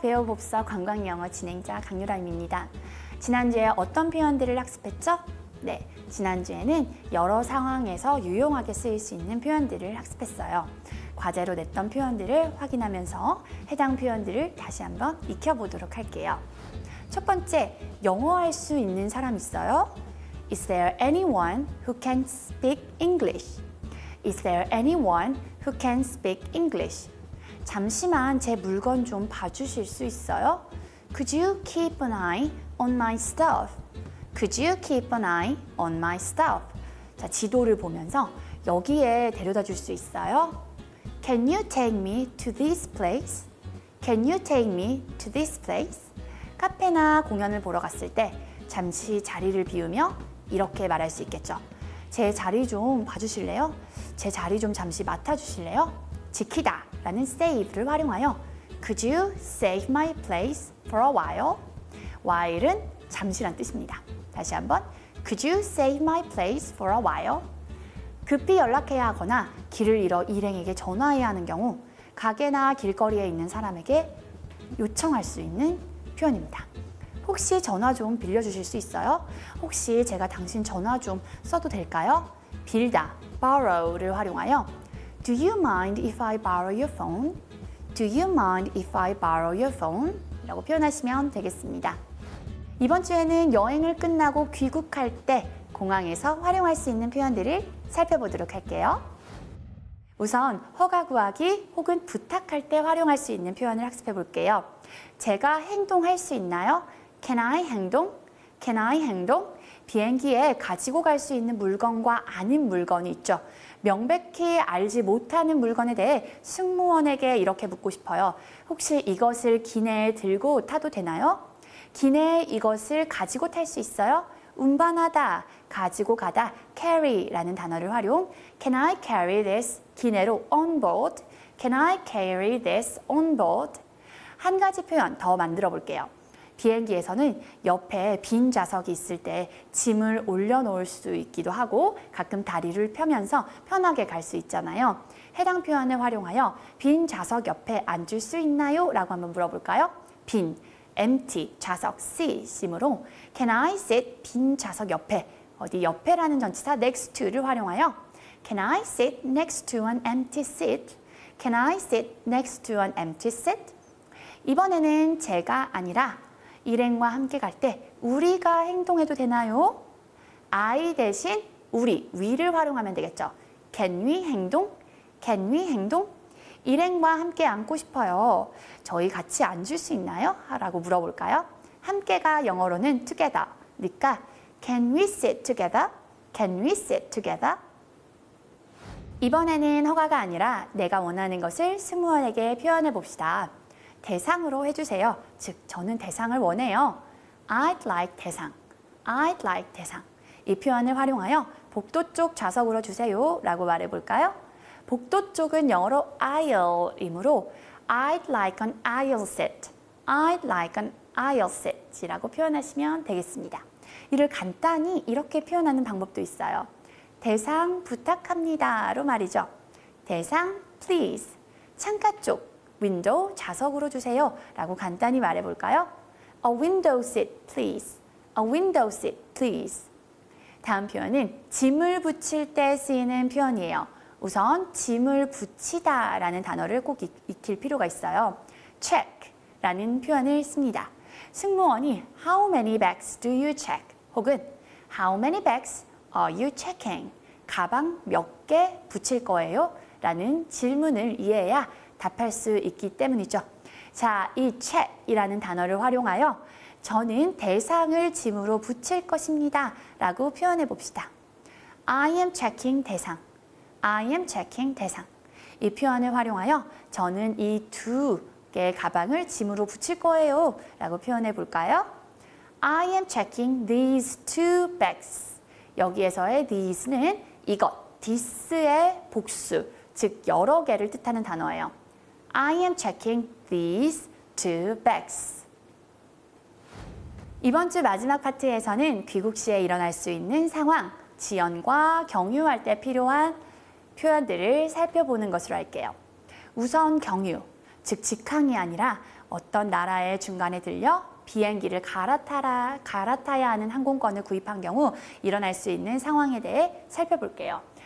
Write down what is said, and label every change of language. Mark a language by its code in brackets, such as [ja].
[ko] 배우봅서 관광영어 진행자 강유람입니다. 지난주에 어떤 표현들을 학습했죠? 네, 지난주에는 여러 상황에서 유용하게 쓰일 수 있는 표현들을 학습했어요. 과제로 냈던 표현들을 확인하면서 해당 표현들을 다시 한번 익혀보도록 할게요. 첫 번째, 영어할 수 있는 사람 있어요? [en] Is there anyone who can speak English? Is there anyone who can speak English? [ko] 잠시만 제 물건 좀 봐주실 수 있어요? [en] Could you keep an eye on my stuff? Could you keep an eye on my stuff? [ko] 자, 지도를 보면서 여기에 데려다 줄 수 있어요? [en] Can you take me to this place? Can you take me to this place? [ko] 카페나 공연을 보러 갔을 때 잠시 자리를 비우며 이렇게 말할 수 있겠죠. 제 자리 좀 봐주실래요? 제 자리 좀 잠시 맡아주실래요? 지키다 라는 [en] save를 활용하여 Could you save my place for a while? [ko] While은 잠시란 뜻입니다. 다시 한번 [en] Could you save my place for a while? [ko] 급히 연락해야 하거나 길을 잃어 일행에게 전화해야 하는 경우 가게나 길거리에 있는 사람에게 요청할 수 있는 표현입니다. 혹시 전화 좀 빌려주실 수 있어요? 혹시 제가 당신 전화 좀 써도 될까요? 빌다, [en] borrow를 [ko] 활용하여 [en] Do you mind if I borrow your phone? Do you mind if I borrow your phone? [ko] 라고 표현하시면 되겠습니다. 이번 주에는 여행을 끝나고 귀국할 때 공항에서 활용할 수 있는 표현들을 살펴보도록 할게요. 우선 허가 구하기 혹은 부탁할 때 활용할 수 있는 표현을 학습해 볼게요. 제가 행동할 수 있나요? [en] Can I 행동? Can I 행동? [ko] 비행기에 가지고 갈 수 있는 물건과 아닌 물건이 있죠. 명백히 알지 못하는 물건에 대해 승무원에게 이렇게 묻고 싶어요. 혹시 이것을 기내에 들고 타도 되나요? 기내에 이것을 가지고 탈 수 있어요? 운반하다, 가지고 가다, carry라는 단어를 활용. [en] Can I carry this [ko] 기내로 [en] on board? Can I carry this on board? [ko] 한 가지 표현 더 만들어 볼게요. 비행기에서는 옆에 빈 좌석이 있을 때 짐을 올려놓을 수 있기도 하고 가끔 다리를 펴면서 편하게 갈 수 있잖아요. 해당 표현을 활용하여 빈 좌석 옆에 앉을 수 있나요? 라고 한번 물어볼까요? 빈, empty, 좌석, seat으로 [en] Can I sit [ko] 빈 좌석 옆에? 어디 옆에라는 전치사 next to를 활용하여 [en] Can I sit next to an empty seat? Can I sit next to an empty seat? [ko] 이번에는 제가 아니라 일행과 함께 갈 때 우리가 행동해도 되나요? I 대신 우리, we를 활용하면 되겠죠. [en] Can we 행동? Can we 행동? [ko] 일행과 함께 앉고 싶어요. 저희 같이 앉을 수 있나요? 라고 물어볼까요? 함께가 영어로는 [en] together니까 Can we sit together? Can we sit together? [ko] 이번에는 허가가 아니라 내가 원하는 것을 승무원에게 표현해 봅시다. 대상으로 해주세요. 즉, 저는 대상을 원해요. [en] I'd like 대상. I'd like 대상. [ko] 이 표현을 활용하여 복도 쪽 좌석으로 주세요. 라고 말해볼까요? 복도 쪽은 영어로 [en] aisle이므로 I'd like an aisle seat. I'd like an aisle seat이라고 [ko] 표현하시면 되겠습니다. 이를 간단히 이렇게 표현하는 방법도 있어요. 대상 부탁합니다로 말이죠. 대상 please. 창가 쪽. 윈도우 좌석으로 주세요 라고 간단히 말해볼까요? [en] A window seat, please. A window seat, please. [ko] 다음 표현은 짐을 붙일 때 쓰이는 표현이에요. 우선 짐을 붙이다 라는 단어를 꼭 익힐 필요가 있어요. check 라는 표현을 씁니다. 승무원이 [en] How many bags do you check? 혹은 How many bags are you checking? [ko] 가방 몇 개 붙일 거예요? 라는 질문을 이해해야 답할 수 있기 때문이죠. 자, 이 check이라는 단어를 활용하여 저는 대상을 짐으로 붙일 것입니다. 라고 표현해 봅시다. [en] I am checking 대상. I am checking 대상. [ko] 이 표현을 활용하여 저는 이 두 개의 가방을 짐으로 붙일 거예요. 라고 표현해 볼까요? [en] I am checking these two bags. [ko] 여기에서의 these는 이것, this의 복수, 즉 여러 개를 뜻하는 단어예요. [en] I am checking these two bags. [ko] 이번 주 마지막 파트에서는 귀국 시에 일어날 수 있는 상황, 지연과 경유할 때 필요한 표현들을 살펴보는 것으로 할게요. 우선 경유, 즉 직항이 아니라 어떤 나라의 중간에 들려 비행기를 갈아타야 하는 항공권을 구입한 경우 일어날 수 있는 상황에 대해 살펴볼게요.